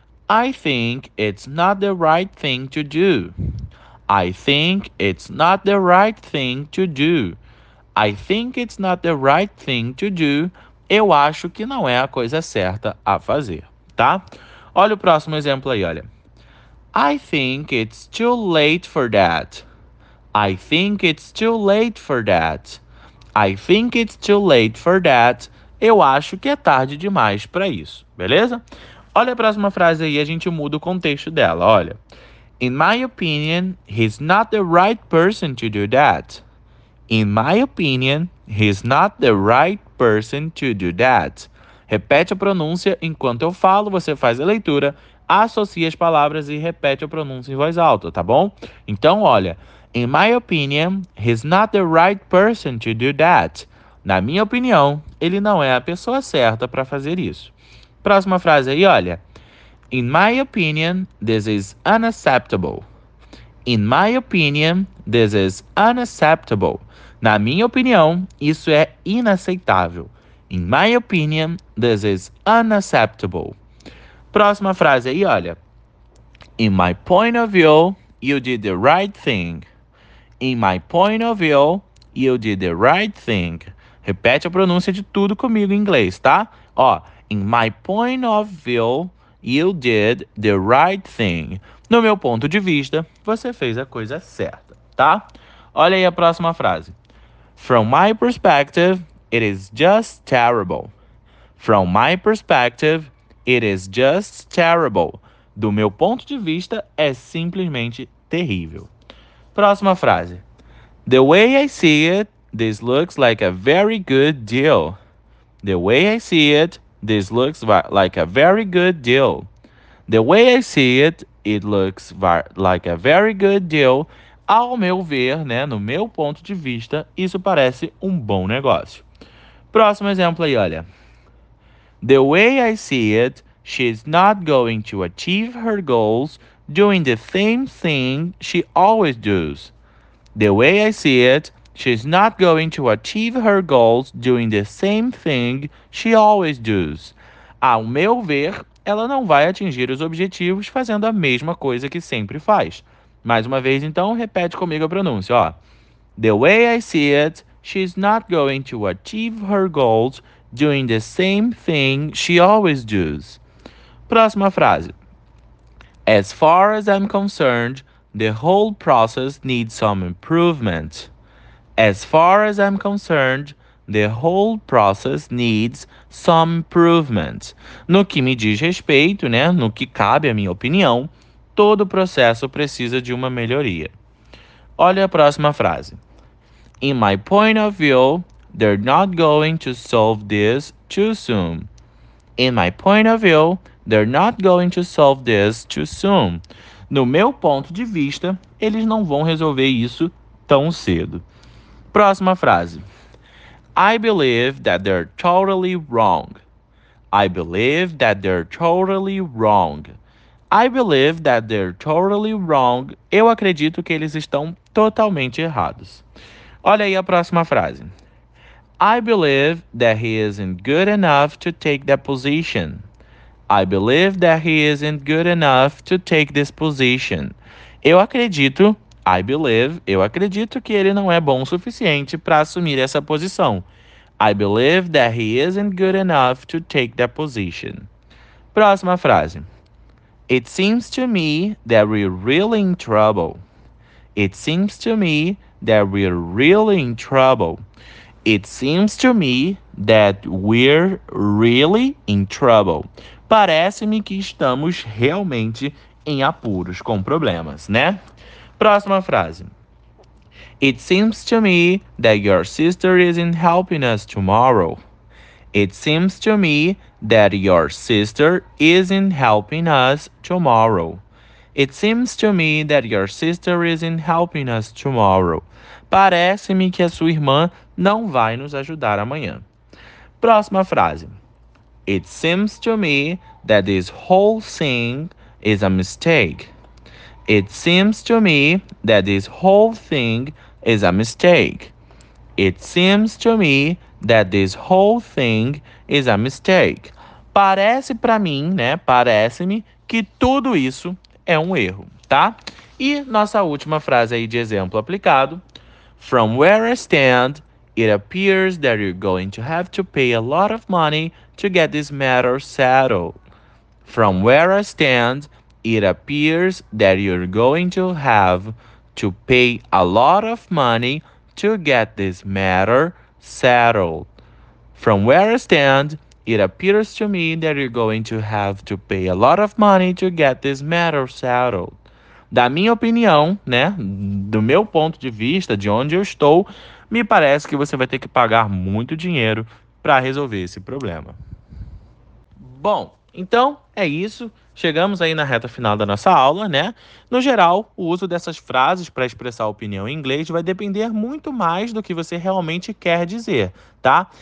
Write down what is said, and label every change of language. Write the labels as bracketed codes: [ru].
[en] I think it's not the right thing to do. I think it's not the right thing to do. I think it's not the right thing to do. [pt] Eu acho que não é a coisa certa a fazer, tá? Olha o próximo exemplo aí, olha. [en] I think it's too late for that. I think it's too late for that. I think it's too late for that. [pt] Eu acho que é tarde demais para isso, beleza? Olha a próxima frase aí, a gente muda o contexto dela, olha. [en] In my opinion, he's not the right person to do that. In my opinion, he's not the right person to do that. [pt] Repete a pronúncia enquanto eu falo, você faz a leitura. Associe as palavras e repete a pronúncia em voz alta, tá bom? Então, olha, [en] in my opinion, he's not the right person to do that. [pt] Na minha opinião, ele não é a pessoa certa para fazer isso. Próxima frase aí, olha. [en] In my opinion, this is unacceptable. In my opinion, this is unacceptable. [pt] Na minha opinião, isso é inaceitável. [en] In my opinion, this is unacceptable. [pt] Próxima frase aí, olha. [en] In my point of view, you did the right thing. In my point of view, you did the right thing. [pt] Repete a pronúncia de tudo comigo em inglês, tá? [en] Ó, in my point of view, you did the right thing. [pt] No meu ponto de vista, você fez a coisa certa, tá? Olha aí a próxima frase. [en] From my perspective, it is just terrible. From my perspective, it is just terrible. [pt] Do meu ponto de vista, é simplesmente terrível. Próxima frase. [en] The way I see it, this looks like a very good deal. The way I see it, this looks like a very good deal. The way I see it, it looks like a very good deal. [pt] Ao meu ver, né, no meu ponto de vista, isso parece um bom negócio. Próximo exemplo aí, olha. [en] The way I see it, She's not going to achieve her goals doing the same thing she always does. The way I see it, she's not going to achieve her goals doing the same thing she always does. [pt] Ao meu ver, ela não vai atingir os objetivos fazendo a mesma coisa que sempre faz. Mais uma vez, então, repete comigo a pronúncia, ó. [en] The way I see it, she's not going to achieve her goals doing the same thing she always does. [pt] Próxima frase. [en] As far as I'm concerned, the whole process needs some improvement. As far as I'm concerned, the whole process needs some improvement. [pt] No que me diz respeito, né? No que cabe a minha opinião, todo o processo precisa de uma melhoria. Olha a próxima frase. [en] In my point of view, they're not going to solve this too soon. In my point of view, they're not going to solve this too soon. [pt] No meu ponto de vista, eles não vão resolver isso tão cedo. Próxima frase. [en] I believe that they're totally wrong. I believe that they're totally wrong. I believe that they're totally wrong. [pt] Eu acredito que eles estão totalmente errados. Olha aí a próxima frase. [en] I believe that he isn't good enough to take that position. I believe that he isn't good enough to take this position. [pt] Eu acredito, [en] I believe, [pt] eu acredito que ele não é bom o suficiente para assumir essa posição. [en] I believe that he isn't good enough to take that position. [pt] Próxima frase. [en] It seems to me that we're really in trouble. It seems to me that we're really in trouble. It seems to me that we're really in trouble. [pt] Parece-me que estamos realmente em apuros, com problemas, né? Próxima frase. [en] It seems to me that your sister isn't helping us tomorrow. It seems to me that your sister isn't helping us tomorrow. It seems to me that your sister isn't helping us tomorrow. [pt] Parece-me que a sua irmã não vai nos ajudar amanhã. Próxima frase. [en] It seems to me that this whole thing is a mistake. It seems to me that this whole thing is a mistake. It seems to me that this whole thing is a mistake. [pt] Parece pra mim, né? Parece-me que tudo isso é um erro, tá? E nossa última frase aí de exemplo aplicado. [en] From where I stand, it appears that you're going to have to pay a lot of money to get this matter settled. From where I stand, it appears that you're going to have to pay a lot of money to get this matter settled. From where I stand, it appears to me that you're going to have to pay a lot of money to get this matter settled. [pt] Da minha opinião, né, do meu ponto de vista, de onde eu estou, me parece que você vai ter que pagar muito dinheiro para resolver esse problema. Bom, então é isso. Chegamos aí na reta final da nossa aula, né? No geral, o uso dessas frases para expressar opinião em inglês vai depender muito mais do que você realmente quer dizer, tá?